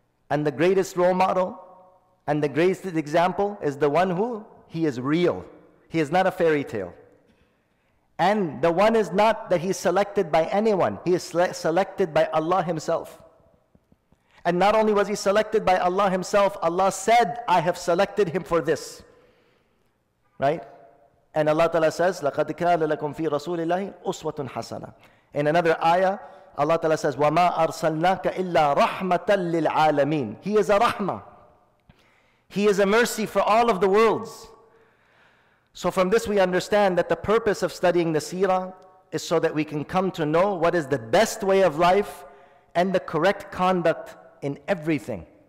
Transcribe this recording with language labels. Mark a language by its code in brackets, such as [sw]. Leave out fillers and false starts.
[en] And the greatest role model and the greatest example is the one who, he is real. He is not a fairy tale. And the one is not that he is selected by anyone. He is selected by Allah himself. And not only was he selected by Allah himself, Allah said, I have selected him for this. Right? And Allah Ta'ala says, [ar] لَقَدْ كَانَ لَكُمْ فِي رَسُولِ اللَّهِ أُسْوَةٌ حَسَنَةٌ. [en] In another ayah, Allah Ta'ala says, [ar] وَمَا أَرْسَلْنَاكَ إِلَّا رَحْمَةً لِلْعَالَمِينَ. [en] He is a rahmah. He is a mercy for all of the worlds. So from this we understand that the purpose of studying the seerah is so that we can come to know what is the best way of life and the correct conduct in everything.